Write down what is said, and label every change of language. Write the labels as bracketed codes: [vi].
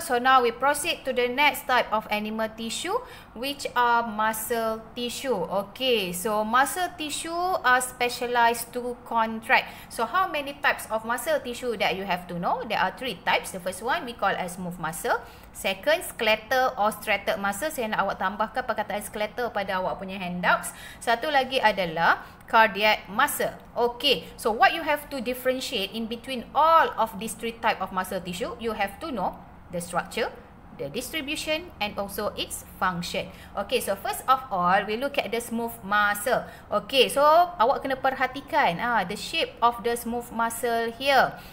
[en] So now we proceed to the next type of animal tissue, which are muscle tissue. Okay, so muscle tissue are specialized to contract. So how many types of muscle tissue that you have to know? There are three types. The first one we call as smooth muscle. Second, skeletal or striated muscle. [ms] Saya nak awak tambahkan perkataan skeletal pada awak punya handouts. Satu lagi adalah cardiac muscle. [en] Okay, so what you have to differentiate in between all of these three type of muscle tissue, you have to know the structure, the distribution and also its function. Okay, so first of all, we look at the smooth muscle. Okay, so [ms] awak kena perhatikan [en] the shape of the smooth muscle here.